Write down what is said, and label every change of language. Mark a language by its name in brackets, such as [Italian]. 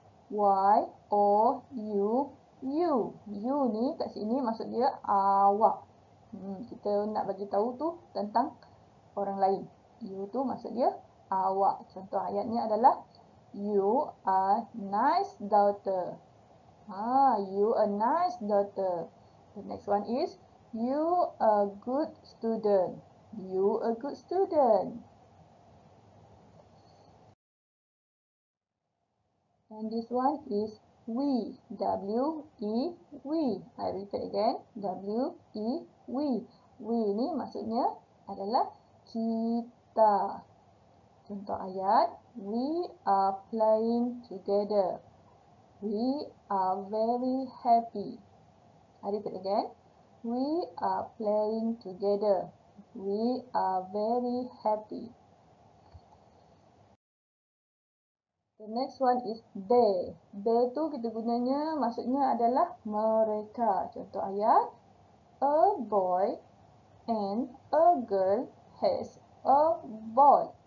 [Malay] Y O U. You. You ni kat sini maksud dia awak. Kita nak bagi tahu tu tentang orang lain. You tu maksud dia awak. Contoh ayatnya adalah [English] you are nice daughter. You a nice daughter. The next one is you a good student. You a good student. And this one is we. W E we. I repeat again. W E we. [Malay] We ni maksudnya adalah kita. Contoh ayat, [English] we are playing together. We are very happy. I repeat again. We are playing together. We are very happy. The next one is they. [Malay] They tu kita gunanya maksudnya adalah mereka. Contoh ayat, [English] a boy and a girl has a boy.